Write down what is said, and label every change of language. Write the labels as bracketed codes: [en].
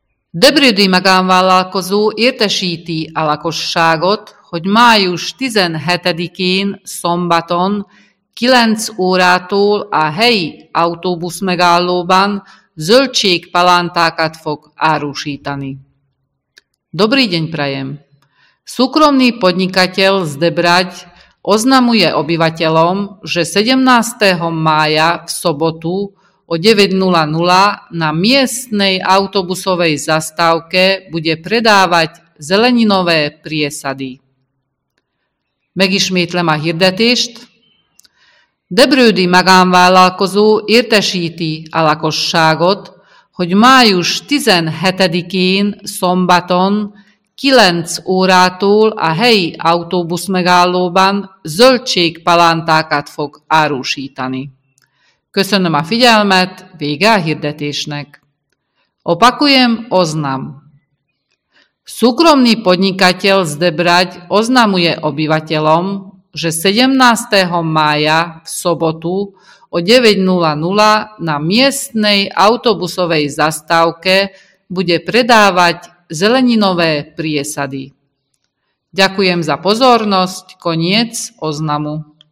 [hu] Debrődi magánvállalkozó értesíti a lakosságot, hogy május 17-én szombaton 9 órától a helyi autóbuszmegállóban zöldségpalántákat fog árusítani. [sk] Dobrý deň prajem! Súkromný podnikateľ z Debraď oznamuje obyvateľom, že 17. mája v sobotu o 9.00 na miestnej autobusovej zastávke bude predávať zeleninové priesady. [hu] Megismétlem a hirdetést. Debrődi magánvállalkozó értesíti a lakosságot, hogy május 17-én szombaton 9 órától a helyi autóbuszmegállóban zöldségpalántákat fog árusítani. Köszönöm a figyelmet, vége a hirdetésnek. [sk] Opakujem, oznam. Súkromný podnikateľ z Debraď oznamuje obyvateľom, že 17. mája v sobotu o 9.00 na miestnej autobusovej zastávke bude predávať zeleninové priesady. Ďakujem za pozornosť, koniec oznamu.